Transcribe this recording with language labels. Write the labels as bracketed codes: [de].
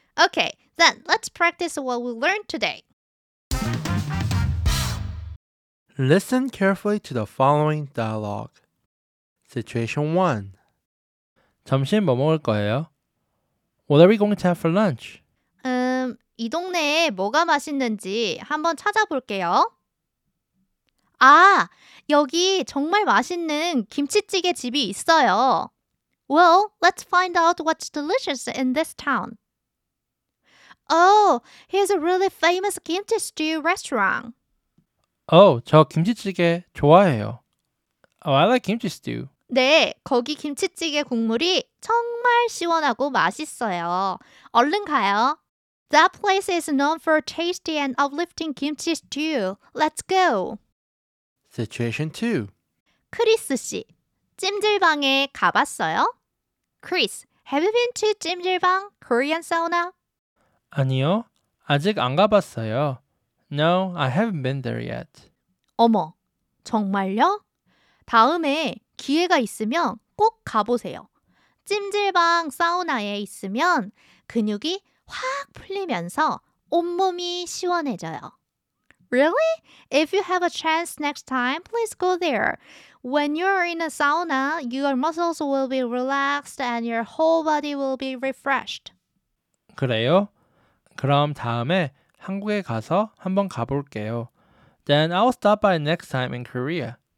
[en] Okay, then let's practice what we learned today. Listen carefully to the following dialogue. Situation 1. [ko] 점심 뭐 먹을 거예요? [en] What are we going to have for lunch? [ko] 이 동네에 뭐가 맛있는지 한번 찾아볼게요. 아, 여기 정말 맛있는 김치찌개 집이 있어요. [en] Well, let's find out what's delicious in this town. Oh, here's a really famous kimchi stew restaurant. [ko] Oh, 저 김치찌개 좋아해요. [en] Oh, I like kimchi stew. [ko] 네, 거기 김치찌개 국물이 정말 시원하고 맛있어요. 얼른 가요. [en] That place is known for tasty and uplifting kimchi stew. Let's go. Situation 2. [ko] 크리스 씨, 찜질방에 가봤어요? [en] Chris, have you been to 찜질방, Korean sauna? [ko] 아니요, 아직 안 가봤어요. [en] No, I haven't been there yet. [ko] 어머, 정말요? 다음에 기회가 있으면 꼭 가보세요. 찜질방 사우나에 있으면 근육이 확 풀리면서 온몸이 시원해져요. [en] Really? If you have a chance next time, please go there. When you're in a sauna, your muscles will be relaxed and your whole body will be refreshed. [ko] 그래요? 그럼 다음에 한국에 가서 한번 가볼게요. [en] Then I'll stop by next time in Korea.